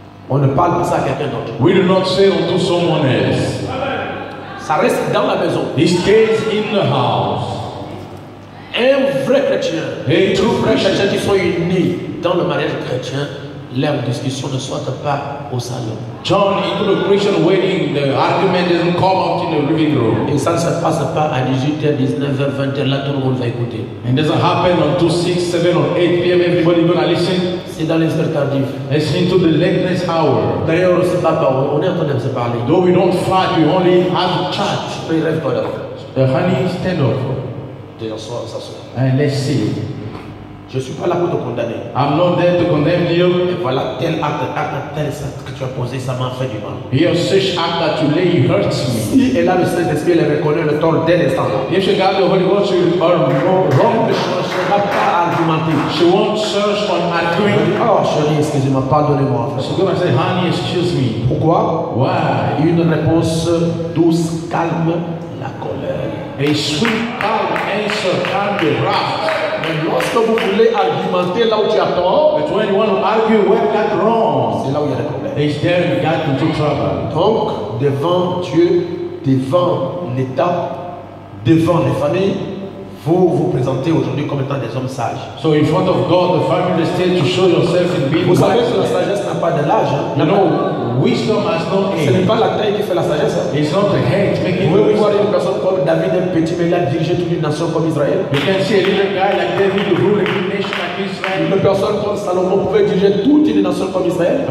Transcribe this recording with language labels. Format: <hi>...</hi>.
<fr>on ne parle pas ça à quelqu'un d'autre.</fr> <en>We do not say unto someone else.</en> <fr>Ça reste dans la maison.</fr> <en>It stays in the house.</en> <fr>Un vrai chrétien,</fr> <en>hey, true</en> <fr>vrai chrétien qui sont unis dans le mariage chrétien, leur discussion ne sort pas au salon.</fr> <en>John, into the Christian wedding, the argument doesn't come out in the living room.</en> <fr>Et ça ne se passe pas à 18h, 19h, 20h, là tout le monde va écouter.</fr> <en>And it doesn't happen until 6, 7 or 8 p.m. Everybody gonna listen.</en> <fr>C'est dans les heures tardives.</fr> <en>It's into the lateness hour.</en> <fr>D'ailleurs, on ne se parle pas, on est en train de se parler.</fr> <en>Though we don't fight, we only have chat.</en> <fr>Je peux y répondre.</fr> <en>Honey, stand up.</en> <fr>D'ailleurs, on s'assoit.</fr> <en>And let's see.</en> <fr>Je suis pas là pour te condamner.</fr> <en>I'm not there to condemn you.</en> <fr>Et voilà tel acte, tel acte que tu as posé, ça m'a fait du mal.</fr> <en>Here's such act that you lay, hurts me.</en> <fr>Si elle a le Saint-Esprit, elle reconnaît le tort dès l'instant.</fr> <en>If she got the Holy Ghost, she will be wrong. She</en> <fr>n'a pas argumenté.</fr> <en>She won't search on arguing.</en> <fr>Oh, chérie, excusez-moi, pardonnez-moi.</fr> <en>She's gonna say, honey, excuse me.</en> <fr>Pourquoi?</fr> <en>Why?</en> <fr>Une réponse douce calme la colère.</fr> <en>A sweet, calm answer calms the wrath.</en> <fr>Lorsque vous voulez argumenter là où tu as tort,</fr> <en>but when you want to argue where that wrong,</en> <fr>c'est là où il y a le problème.</fr> <en>Is there you got into trouble?</en> <fr>Donc devant Dieu, devant l'État, devant les familles, vous vous présentez aujourd'hui comme étant des hommes sages.</fr> <en>So in front of God, the family, the state, to show yourself in being.</en> <fr>Vous savez que la sagesse n'a pas de l'âge.</fr> <en>Hein? You know, wisdom has no age.</en> <fr>Ce n'est pas la taille qui fait la sagesse.</fr> <en>It's not the height making.</en> <fr>Vous pouvez voir une personne comme David, un petit mais il a dirigé toute une nation comme Israël.</fr> <en>You can see a little guy like David ruling a nation like Israel.</en> <fr>Une personne comme Salomon pouvait diriger toute une nation comme Israël.</fr>